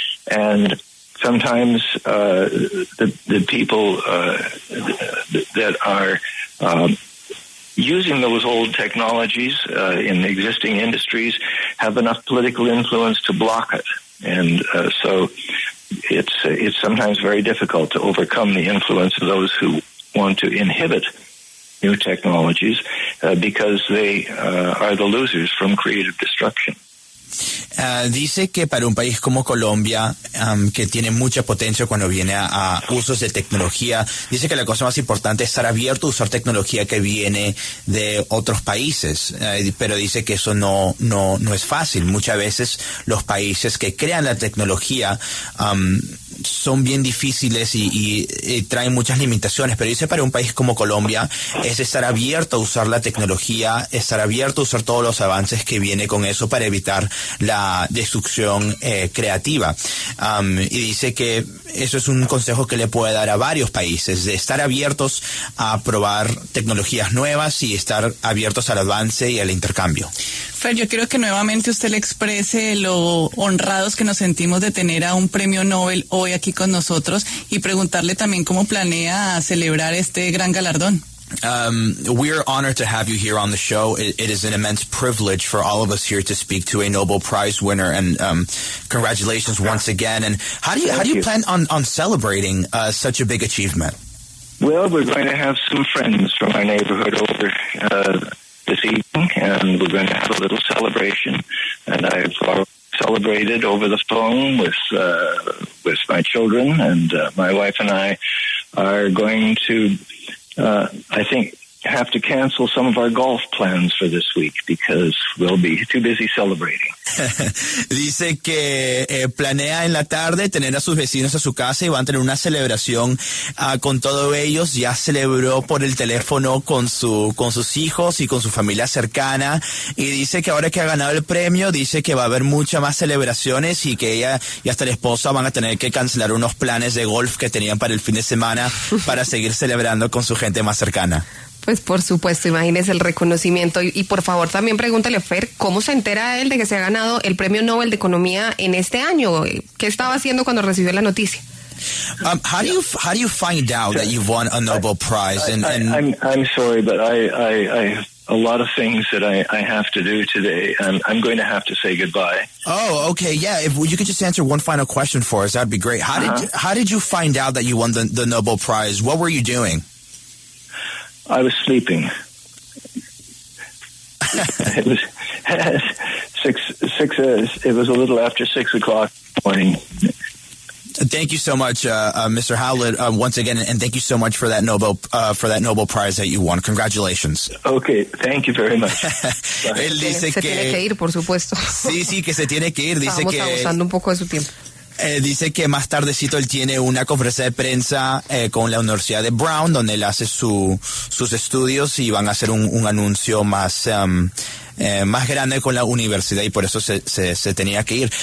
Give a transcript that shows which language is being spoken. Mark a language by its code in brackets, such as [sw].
[en] And sometimes the people that are using those old technologies in existing industries have enough political influence to block it. And so it's sometimes very difficult to overcome the influence of those who want to inhibit new technologies because they are the losers from creative destruction. [es] Dice que para un país como Colombia, que tiene mucha potencia cuando viene a usos de tecnología, dice que la cosa más importante es estar abierto a usar tecnología que viene de otros países, pero dice que eso no es fácil. Muchas veces los países que crean la tecnología son bien difíciles y traen muchas limitaciones, pero dice para un país como Colombia es estar abierto a usar la tecnología, estar abierto a usar todos los avances que viene con eso para evitar la destrucción creativa. Y dice que eso es un consejo que le puede dar a varios países, de estar abiertos a probar tecnologías nuevas y estar abiertos al avance y al intercambio. Fer, yo quiero que nuevamente usted le exprese lo honrados que nos sentimos de tener a un premio Nobel hoy aquí con nosotros y preguntarle también cómo planea celebrar este gran galardón. [en] We are honored to have you here on the show. It is an immense privilege for all of us here to speak to a Nobel Prize winner, and congratulations once again. And how do you plan on celebrating such a big achievement? Well, we're going to have some friends from our neighborhood over this evening, and we're going to have a little celebration. And I've celebrated over the phone with my children, and my wife and I are going to, I think, have to cancel some of our golf plans for this week because we'll be too busy celebrating. [es] Dice que planea en la tarde tener a sus vecinos a su casa y van a tener una celebración con todos ellos. Ya celebró por el teléfono con sus hijos y con su familia cercana, y dice que ahora que ha ganado el premio, dice que va a haber muchas más celebraciones y que ella y hasta la esposa van a tener que cancelar unos planes de golf que tenían para el fin de semana para seguir celebrando con su gente más cercana. Pues por supuesto, imagínese el reconocimiento. Y por favor, también pregúntale a Fer, ¿cómo se entera él de que se ha ganado el Premio Nobel de Economía en este año? ¿Qué estaba haciendo cuando recibió la noticia? [en] How do you find out that you've won a Nobel Prize? I'm sorry, but I have a lot of things that I have to do today, and I'm going to have to say goodbye. Oh, okay, yeah. If you could just answer one final question for us, that'd be great. How did you find out that you won the Nobel Prize? What were you doing? I was sleeping. It was six. It was a little after 6 o'clock in the morning. Thank you so much, Mr. Howlett, once again, and thank you so much for that Nobel prize that you won. Congratulations. Okay, thank you very much. [es] Él dice que se tiene que ir, por supuesto. Sí, sí, que se tiene que ir. Dice estamos que estamos abusando un poco de su tiempo. Dice que más tardecito él tiene una conferencia de prensa con la Universidad de Brown, donde él hace sus estudios y van a hacer un anuncio más más grande con la universidad, y por eso se tenía que ir.